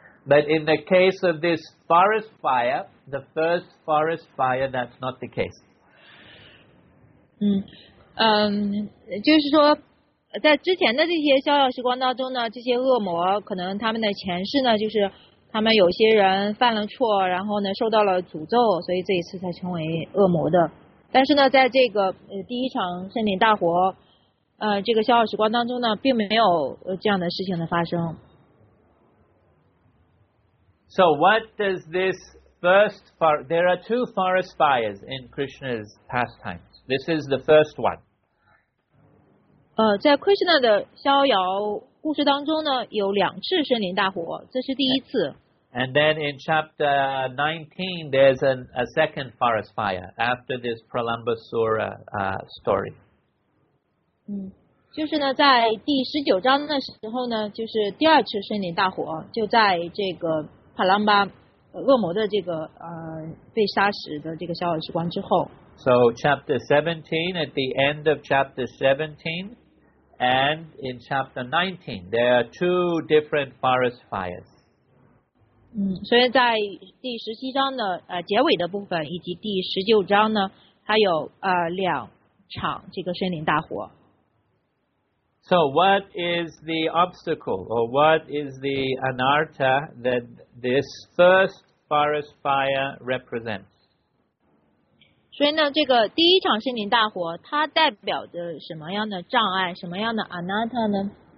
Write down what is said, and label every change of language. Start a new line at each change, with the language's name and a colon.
English: But in the case of this forest fire, the first forest fire, that's not the case.
Chinese: 就是说。在之前的这些逍遥时光当中呢，这些恶魔可能他们的前世呢，就是他们有些人犯了错，然后呢受到了诅咒，所以这一次才成为恶魔的。但是呢，在这个第一场森林大火，这个逍遥时光当中呢，并没有这样的事情的发生。
English: So what does this first forest? There are two forest fires in Krishna's pastimes. This is the first one.
Chinese: 在 Krishna 的逍遥故事当中呢，有两次森林大火，这是第一次。
English: And then in chapter 19, there's a second forest fire after this Pralambasura story.
Chinese: 就是呢，在第十九章的时候呢，就是第二次森林大火，就在这个帕朗巴恶魔的这个被杀死的这个逍遥时光之后。
English: So chapter 17, at the end of chapter 17. And in chapter 19, there are two different forest fires.
Chinese: 所以在第十七章的结尾的部分，以及第十九章呢，它有两场这个森林大火。
English: So what is the obstacle, or what is the anartha that this first forest fire represents?
Chinese: 所以呢，这个第一场森林大火，它代表着什么样的障碍，什么样的 anartha 呢？